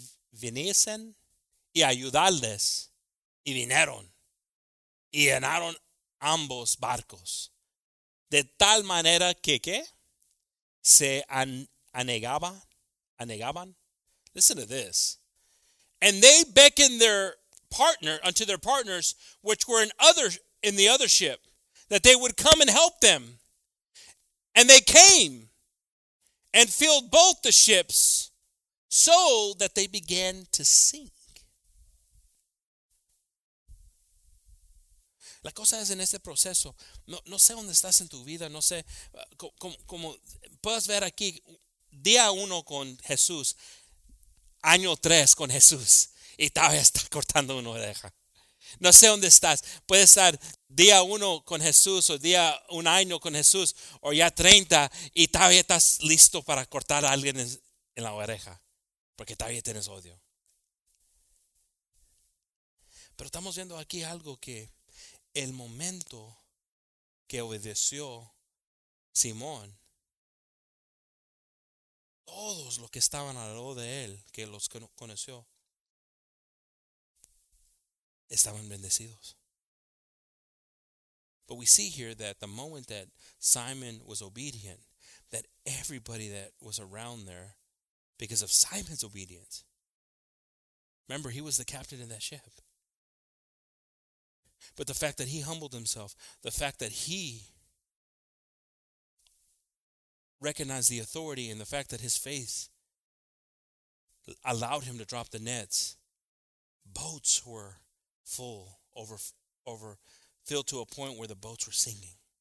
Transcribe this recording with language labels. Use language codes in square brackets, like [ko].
[es] Viniesen y ayudarles, y vinieron y llenaron ambos barcos de tal manera que se anegaban. [en] Listen to this. And they beckoned unto their partners which were in the other ship, that they would come and help them. And they came and filled both the ships, so that they began to sink. [es] La cosa es, en este proceso, no sé dónde estás en tu vida, no sé, como puedes ver aquí, día uno con Jesús, año tres con Jesús, y todavía está cortando una oreja. No sé dónde estás. Puede estar día uno con Jesús, o día un año con Jesús, o ya 30, y todavía estás listo para cortar a alguien en la oreja. Porque todavía tienes odio. Pero estamos viendo aquí algo, que el momento que obedeció Simón, todos los que estaban alrededor de él, que los conoció, estaban bendecidos. [en] But we see here that the moment that Simon was obedient, that everybody that was around there, because of Simon's obedience. Remember, he was the captain of that ship. But the fact that he humbled himself, the fact that he recognized the authority, and the fact that his faith allowed him to drop the nets, boats were full, overfilled to a point where the boats were sinking.